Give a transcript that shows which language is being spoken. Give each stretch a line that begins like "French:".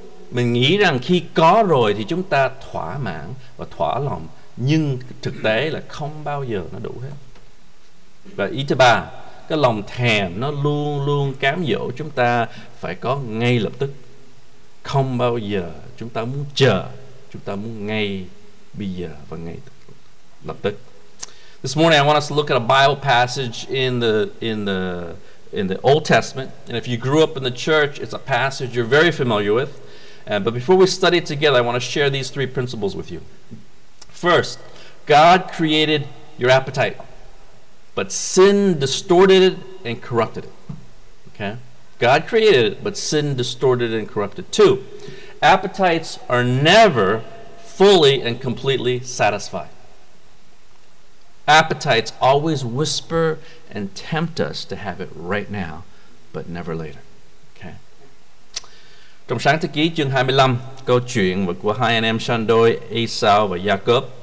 Vietnamese: mình nghĩ rằng khi có rồi thì chúng ta thỏa mãn và thỏa lòng, nhưng thực tế là không bao giờ nó đủ hết. Và ý thứ ba, cái lòng thèm nó luôn luôn cám dỗ chúng ta phải có ngay lập tức, không bao giờ chúng ta muốn chờ, chúng ta muốn ngay bây giờ và ngay lập tức.
English: This morning I want us to look at a Bible passage in the Old Testament, and if you grew up in the church, it's a passage you're very familiar with. But before we study it together, I want to share these three principles with you. First, God created your appetite, but sin distorted it and corrupted it. Okay? God created it, but sin distorted it and corrupted it. Two, appetites are never fully and completely satisfied. Appetites always whisper and tempt us to have it right now, but never later.
Vietnamese: Trong Sáng Thế Ký chương 25, câu chuyện của hai anh em son đôi Esau và Jacob.